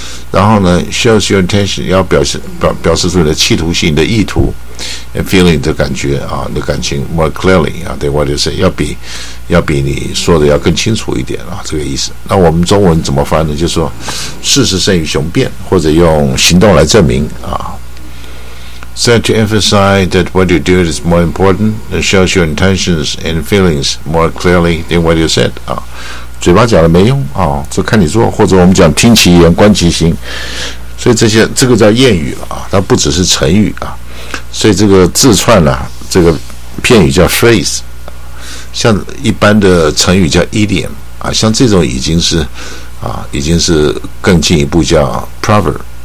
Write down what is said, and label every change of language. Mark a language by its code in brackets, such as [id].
[zh] 然后呢 ， [en] shows your intention [zh] 要表示出你的企图心、你的意图 ， [en] and feeling [zh] 的感觉啊，你的感情 [en] more clearly [zh] 啊，对 ， [en] what do you say [zh] 要比你说的要更清楚一点啊，这个意思。那我们中文怎么翻呢？就是说事实胜于雄辩，或者用行动来证明啊。 [en] So to emphasize that what you do is more important and shows your intentions and feelings more clearly than what you said. [zh] 嘴巴讲的没用啊，就看你做，或者我们讲听其言观其行。所以这个叫谚语啊，它不只是成语啊。所以这个字串呢，这个片语叫 phrase， 像一般的成语叫 idiom 啊，像这种已经是更进一步叫 proverb。